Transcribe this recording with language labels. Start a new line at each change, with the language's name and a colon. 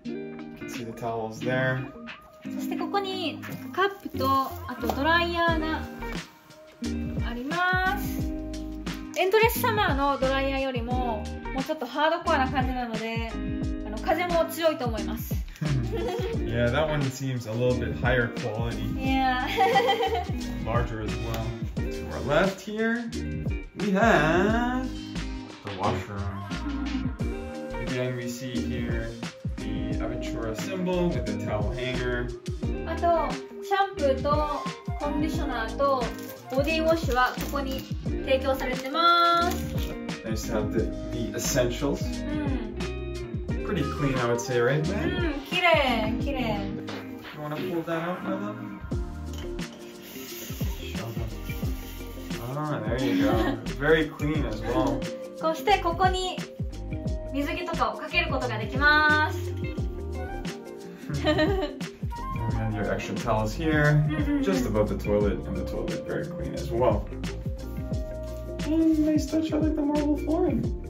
English: You can see the towels there.
Japanese: そしてここにカップとあとドライヤーがあります。エンドレスサマーのドライヤーよりももうちょっとハードコアな感じなので、あの風も強いと思います。
English: Yeah, that one seems a little bit higher quality. Yeah. Larger as well. To our left here. We have the washroom. Again, we see here the Aventura symbol with the towel hanger.
Japanese: あとシャンプーとコンディショナーとボディウォッシュはここに提供されてます。
English: Nice to have the essentials. Pretty clean, I would say, right, man?
Japanese: きれい、きれ
English: い。You wanna pull that out, brother? There you go. Very clean as well.
Japanese: そしてここに水着とかをかけることができます。
English: And then your extra towels here, just above the toilet, and the toilet very clean as well. And nice touch, I like the marble flooring.